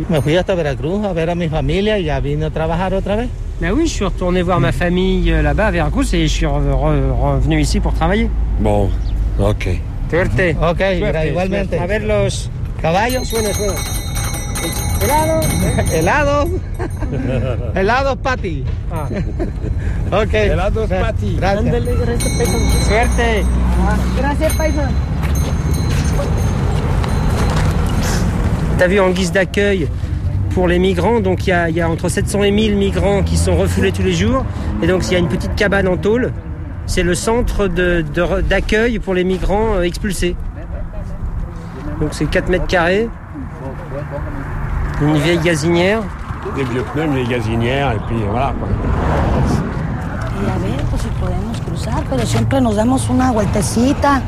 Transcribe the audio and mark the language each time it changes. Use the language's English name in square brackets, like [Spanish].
[Spanish] Me fui hasta Veracruz a ver a mi familia y ya vine a trabajar otra vez. [French] Bah oui, je suis retourné voir ma famille là-bas, à Veracruz, et je suis revenu ici pour travailler. Bon, ok. [Spanish] Suerte. Ok, suerte, igualmente. Suerte. A ver los caballos. Helado. Helado. Helado, Pati. Ah. Ok. Helado, Pati. Gracias. Suerte. Ah. Gracias, paisa. [French] T'as vu, en guise d'accueil pour les migrants, donc il y a entre 700 et 1000 migrants qui sont refoulés tous les jours, et donc il y a une petite cabane en tôle. C'est le centre d'accueil pour les migrants expulsés. Donc c'est 4 mètres carrés, une vieille gazinière. Des vieux pneus, une vieille gazinière, et puis voilà. Et à voir si [Spanish] podemos cruzar, pero siempre nos damos una vueltecita.